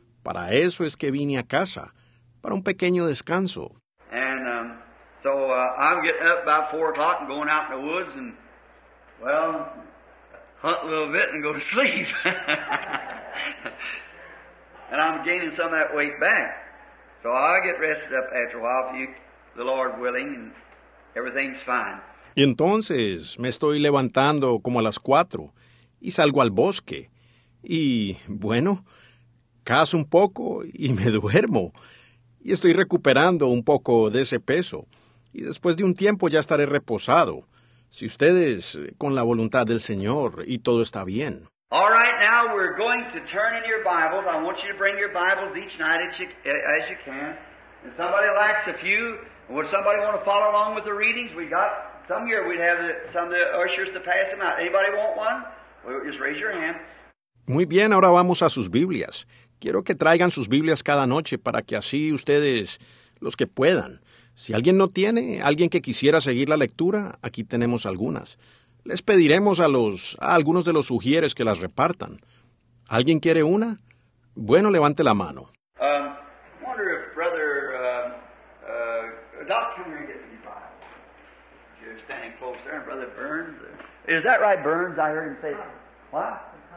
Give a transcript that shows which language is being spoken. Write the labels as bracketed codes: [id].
[es] Para eso es que vine a casa, para un pequeño descanso. [en] And I'm getting up about 4 o'clock and going out in the woods and, well, hunt a little bit and go to sleep. And I'm gaining some of that weight back. So I get rested up after a while, for you, the Lord willing, and everything's fine. [es] Y entonces me estoy levantando como a las 4 y salgo al bosque. Y, bueno, cazo un poco y me duermo. Y estoy recuperando un poco de ese peso. Y después de un tiempo ya estaré reposado. Si ustedes, con la voluntad del Señor, y todo está bien. [en] All right, now we're going to turn in your Bibles. I want you to bring your Bibles each night as you can. If somebody likes a few, would somebody want to follow along with the readings? We got some here. We'd have some of the ushers to pass them out. Anybody want one? Well, just raise your hand. [es] Muy bien, ahora vamos a sus Biblias. Quiero que traigan sus Biblias cada noche para que así ustedes, los que puedan. Si alguien no tiene, alguien que quisiera seguir la lectura, aquí tenemos algunas. Les pediremos a algunos de los sugieres que las repartan. ¿Alguien quiere una? Bueno, levante la mano. [en] Wonder if brother, Doc, come here and get me by. You're standing close there, and brother Burns. Is that right, Burns? I heard him say that. What?